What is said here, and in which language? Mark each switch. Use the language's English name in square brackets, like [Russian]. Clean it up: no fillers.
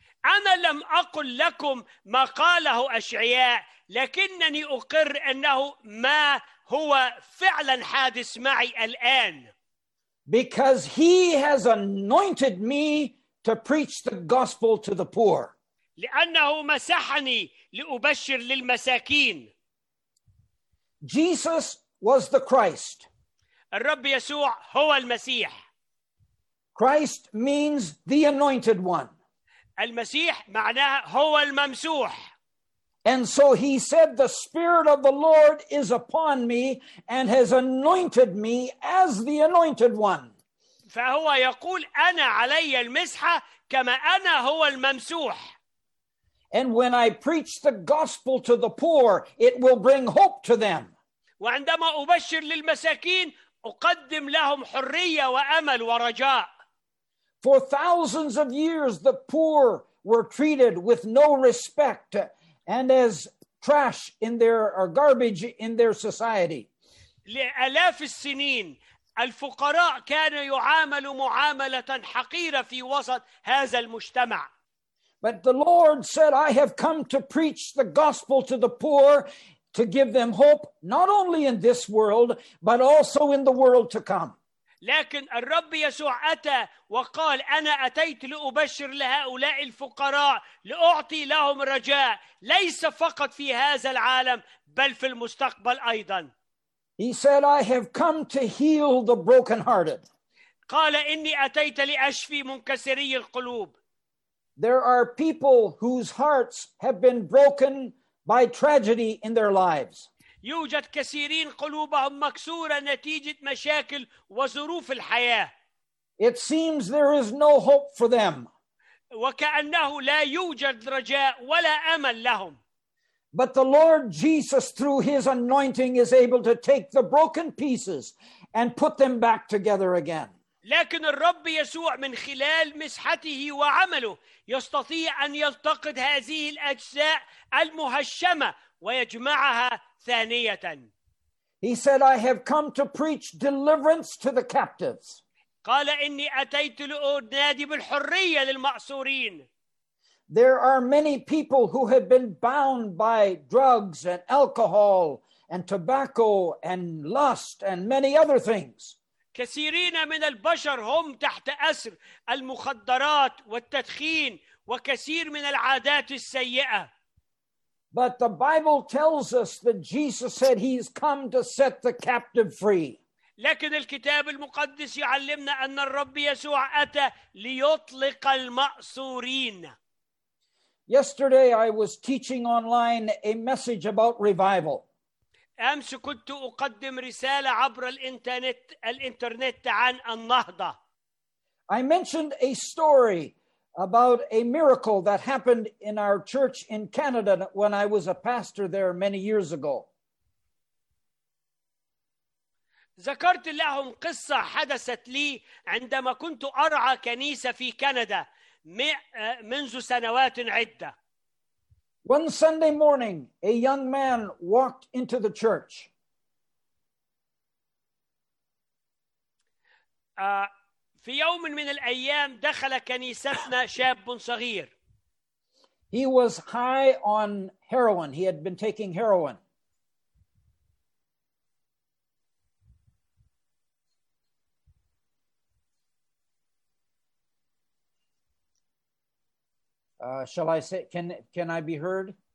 [Arabic] أنا لم أقل لكم ما قاله أشعياء، لكنني أقر أنه ما هو فعلا حادث معي الآن. [English] Because he has anointed me to preach the gospel to the poor. [Arabic] لأنه مسحني لأبشر للمساكين. [English] Jesus was the Christ. [Arabic] الرب يسوع هو المسيح. [English] Christ means the anointed one. [Arabic] المسيح معناه هو الممسوح. [English] And so he said, the Spirit of the Lord is upon me and has anointed me as the anointed one. [Arabic] فهو يقول أنا علي المسحة كما أنا هو الممسوح. [English] And when I preach the gospel to the poor, it will bring hope to them. [Arabic] وعندما أبشر للمساكين أقدم لهم حرية وأمل ورجاء. [English] For thousands of years, the poor were treated with no respect and as trash in their or garbage in their society. [Arabic] لآلاف السنين الفقراء كانوا يعاملوا معاملة حقيرة في وسط هذا المجتمع. [English] But the Lord said, I have come to preach the gospel to the poor to give them hope, not only in this world, but also in the world to come. [Arabic] لكن الرب يسوع أتى وقال أنا أتيت لأبشر لهؤلاء الفقراء لأعطي لهم رجاء ليس فقط في هذا العالم بل في المستقبل أيضا. [English] He said, I have come to heal the brokenhearted. [Arabic] قال إني أتيت لأشفي منكسري القلوب. [English] There are people whose hearts have been broken by tragedy in their lives. [Arabic] يوجد كثيرين قلوبهم مكسورة نتيجة مشاكل وظروف الحياة. [English] It seems there is no hope for them. [Arabic] وكأنه لا يوجد رجاء ولا أمل لهم. [English] But the Lord Jesus through his anointing is able to take the broken pieces and put them back together again. [Arabic] لكن الرب يسوع من خلال مسحته وعمله يستطيع أن يلتقط هذه الأجزاء المهشمة ويجمعها ثانية. [English] He said, I have come to preach deliverance to the captives. [Arabic] قال إني أتيت لأنادي بالحرية للمأسورين. [English] There are many people who have been bound by drugs and alcohol and tobacco and lust and many other things. [Arabic] كثيرين من البشر هم تحت أسر المخدرات والتدخين وكثير من العادات السيئة. [English] But the Bible tells us that Jesus said he's come to set the captive free. [Arabic] لكن الكتاب المقدس يعلمنا أن الرب يسوع أتى ليطلق المأسورين. [English] Yesterday I was teaching online a message about revival. [Arabic] أمس كنت أقدم رسالة عبر الإنترنت عن النهضة. [English] I mentioned a story about a miracle that happened in our church in Canada when I was a pastor there many years ago. [Arabic] ذكرت لهم قصة حدثت لي عندما كنت أرعى كنيسة في كندا منذ سنوات عدة. [English] One Sunday morning, a young man walked into the church. [Arabic] في يوم من الأيام دخل كنيستنا شاب صغير. [English] He was high on heroin. He had been taking heroin. Shall I say, can I be heard?